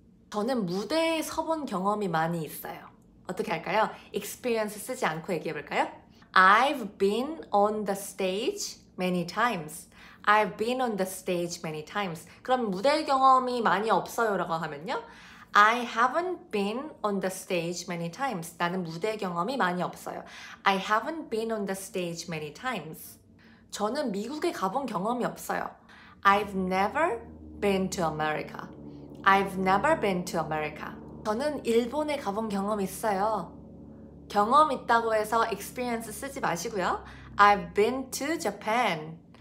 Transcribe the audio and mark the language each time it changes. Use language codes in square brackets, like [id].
[ko] 저는 무대에 서본 경험이 많이 있어요. 어떻게 할까요? experience 쓰지 않고 얘기해 볼까요? [en] I've been on the stage many times. I've been on the stage many times. [ko] 그럼 무대 경험이 많이 없어요라고 하면요. [en] I haven't been on the stage many times. [ko] 나는 무대 경험이 많이 없어요. [en] I haven't been on the stage many times. [ko] 저는 미국에 가본 경험이 없어요. [en] I've never been to America. I've never been to America. [ko] 저는 일본에 가본 경험 있어요. 경험 있다고 해서 experience 쓰지 마시고요. [en] I've been to Japan.